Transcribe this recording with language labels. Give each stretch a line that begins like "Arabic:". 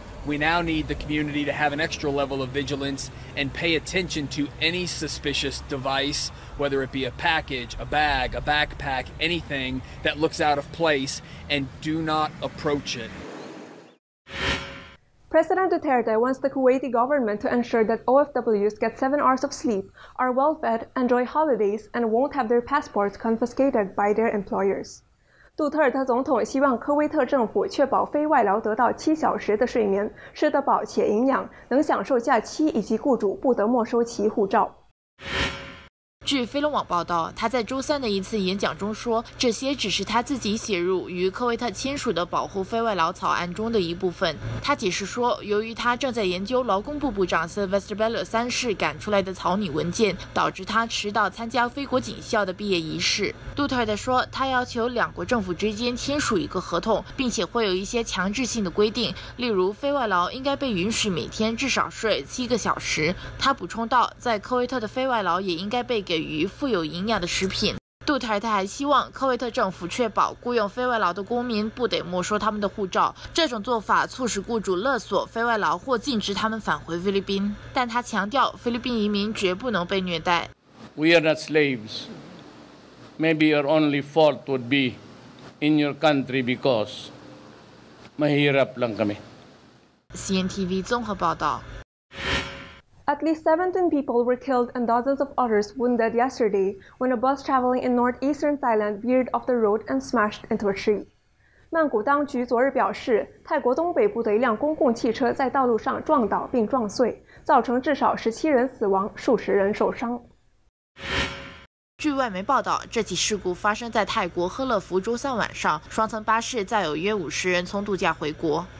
English: We now need the community to have an extra level of vigilance and pay attention to any suspicious device, whether it be a package, a bag, a backpack, anything that looks out of place, and do not approach it. President Duterte wants the Kuwaiti government to ensure that OFWs get 7 hours of sleep, are well-fed, enjoy holidays, and won't have their passports confiscated by their employers. 杜特尔特总统希望科威特政府确保非外劳得到7小时的睡眠，吃得饱且营养，能享受假期，以及雇主不得没收其护照。
Chinese: 据菲龙网报道，他在周三的一次演讲中说，这些只是他自己写入与科威特签署的保护非外劳草案中的一部分。他解释说，由于他正在研究劳工部部长 Sylvester Bello 三世赶出来的草拟文件，导致他迟到参加菲国警校的毕业仪式。杜特尔特说，他要求两国政府之间签署一个合同，并且会有一些强制性的规定，例如非外劳应该被允许每天至少睡7个小时。他补充道，在科威特的非外劳也应该被给予富有营养的食品。杜特尔特还希望科威特政府确保雇用非外劳的公民不得没收他们的护照，这种做法促使雇主勒索非外劳或禁止他们返回菲律宾。但他强调，菲律宾移民绝不能被虐待。
English: We are not slaves. Maybe your only fault would be in your country because
Filipino: mahirap lang kami.
Chinese: CNTV 综合报道。
English: At least 17 people were killed and dozens of others wounded yesterday when a bus traveling in northeastern Thailand veered off the road and smashed into a tree.
Chinese: 曼谷当局昨日表示，泰国东北部的一辆公共汽车在道路上撞倒并撞碎，造成至少17人死亡，数十人受伤。据外媒报道，这起事故发生在泰国喝乐福周三晚上，双层巴士载有约50人从度假回国。